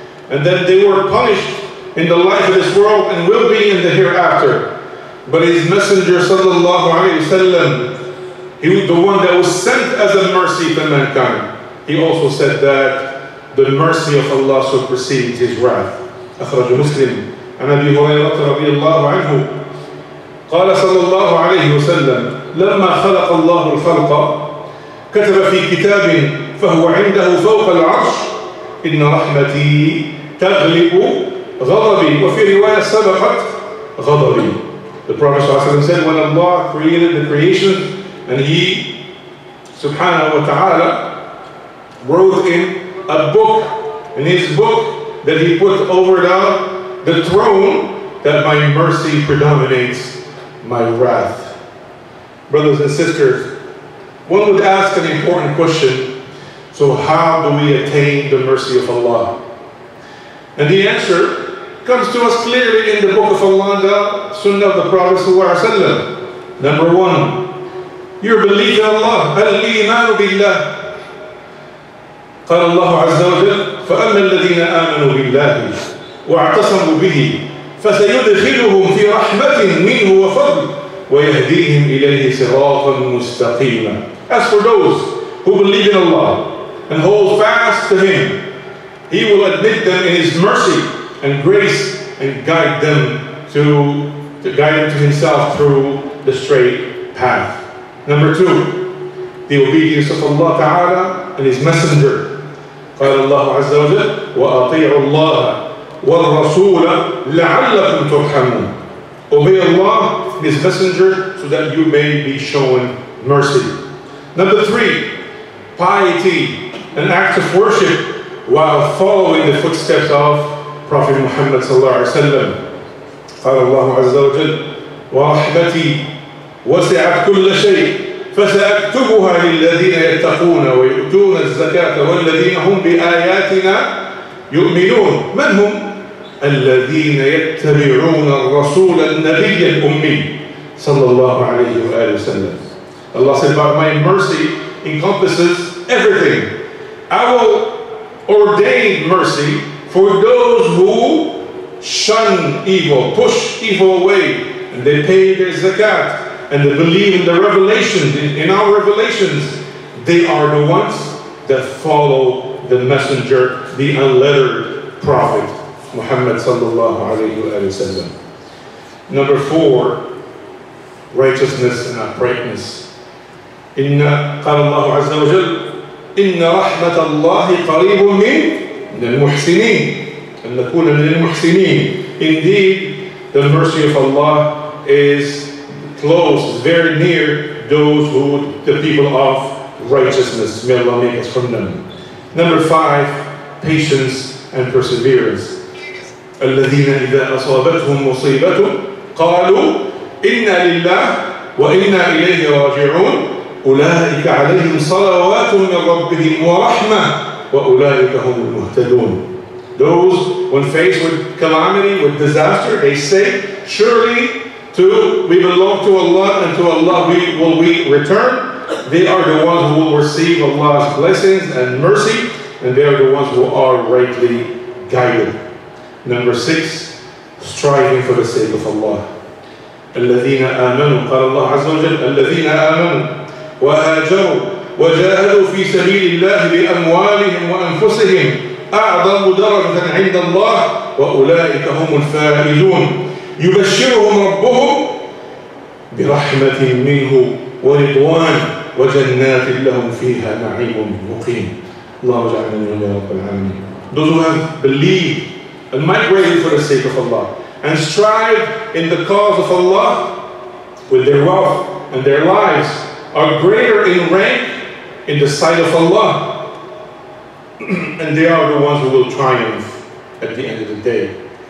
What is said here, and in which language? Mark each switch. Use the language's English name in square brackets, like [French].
[English] And then they were punished in the life of this world and will be in the hereafter. But His Messenger sallallahu alayhi wa sallam, He was the one that was sent as a mercy to mankind. He also said that the mercy of Allah supersedes His wrath. [Arabic] أخرج مسلم عن أبي هريرة رضي الله عنه قال صلى الله عليه وسلم لما خلق الله الخلق كتب في كتاب فهو عنده فوق العرش إن رحمتي تغلب غضبي وفي رواية سبقت غضبي. [English] The Prophet صلى الله عليه وسلم said when Allah created the creation and He, subhanahu wa ta'ala, wrote in a book, in His book that He put over the throne, that my mercy predominates my wrath. Brothers and sisters, one would ask an important question, so how do we attain the mercy of Allah? And the answer comes to us clearly in the Book of Allah, the Sunnah of the Prophet ﷺ. Number one, your belief in Allah. [Arabic] الإيمان بالله. قال الله عز وجل فأما الذين آمنوا بالله واعتصموا به فسيدخلهم في رحمة منه وفضل ويهديهم إليه صراطا مستقيما. [English] As for those who believe in Allah and hold fast to Him, He will admit them in His mercy and grace and guide them to guide them to Himself through the straight path. Number two, the obedience of Allah Ta'ala and His Messenger. [Arabic] قال الله عز وجل وَأَطِيعُوا اللَّهَ وَالرَّسُولَ لَعَلَّكُمْ تُرْحَمُونَ. [English] Obey Allah and His Messenger so that you may be shown mercy. Number three, piety, an act of worship while following the footsteps of Prophet Muhammad sallallahu alaihi wasallam. [Arabic] قال الله عز وجل ورحمتي وسعت كل شيء فسأكتبها للذين يتقون ويؤتون الزكاة والذين هم بآياتنا يؤمنون. من هم؟ الذين يتبعون الرسول النبي الأمي صلى الله عليه وآله وسلم. [English] Allah said, but my mercy encompasses everything. I will ordain mercy for those who shun evil, push evil away, and they pay their zakat, and they believe in the revelation, in our revelations. They are the ones that follow the messenger, the unlettered prophet, Muhammad sallallahu alayhi wa sallam. Number four, righteousness and uprightness. [Arabic] Inna qala Allahu azza wa jal, inna rahmatallahi qareebun min al-muhsinin. أن نكون من المحسنين. [English] Indeed, the mercy of Allah is close, is very near those who, the people of righteousness. May Allah make us from them. Number five, patience and perseverance. [Arabic] الذين إذا أصابتهم مصيبة قالوا إنا لله وإنا إليه راجعون أولئك عليهم صلوات من ربهم ورحمة وأولئك هم المهتدون. [English] Those, when faced with calamity, with disaster, they say, surely we belong to Allah, and to Allah will we return. They are the ones who will receive Allah's blessings and mercy, and they are the ones who are rightly guided. Number six, striving for the sake of Allah. [Arabic] الَّذِينَ آمَنُوا قَالَ اللَّهُ عَزَّ وَجَلَّ الَّذِينَ آمَنُوا وَهَاجَرُوا وَجَاهَدُوا فِي سَبِيلِ اللَّهِ بِأَمْوَالِهِمْ وَأَنفُسِهِمْ أعظم درجة عند الله وأولئك هم الفائزون. يبشرهم ربهم برحمة منه ورضوان وجنات لهم فيها نعيم مقيم. اللهم اجعلنا من رب العالمين. [English] Those who have believed and migrated for the sake of Allah and strive in the cause of Allah with their wealth and their lives are greater in rank in the sight of Allah. And they are the ones who will triumph at the end of the day.